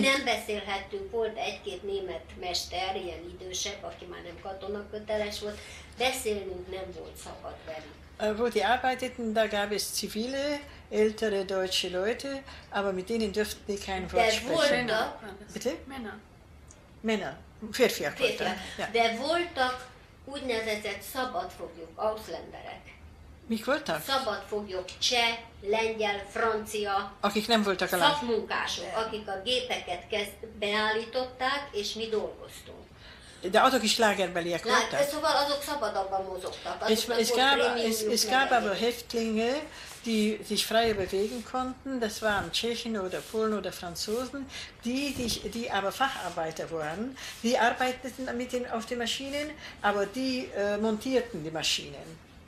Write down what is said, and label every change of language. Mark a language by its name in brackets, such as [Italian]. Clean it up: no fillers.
[Hungarian] Mi nem beszélhettünk, volt egy-két német mester, ilyen idősebb, aki már nem katonaköteles volt. Beszélnünk nem volt szabad velük. [German] Wo die arbeiteten, da gab es zivile, ältere deutsche Leute, aber mit denen durften die kein Wort sprechen. Der wollte, bitte? Männer. [Hungarian] Férfiak voltak. Der voltak úgynevezett szabadfoglyok, ausländerek. Mik voltak? Szabadfoglyok, cseh, lengyel, francia. Akik nem voltak a szakmunkások, akik a gépeket beállították, és mi dolgoztunk. De azok is lágerbeliek voltak? Szóval azok szabadabban mozogtak. [German] Es gab aber Häftlinge, die sich frei bewegen konnten, das waren Tschechen oder Polen oder Franzosen, die aber Facharbeiter waren, die arbeiteten mit den, auf den Maschinen, aber die montierten die Maschinen.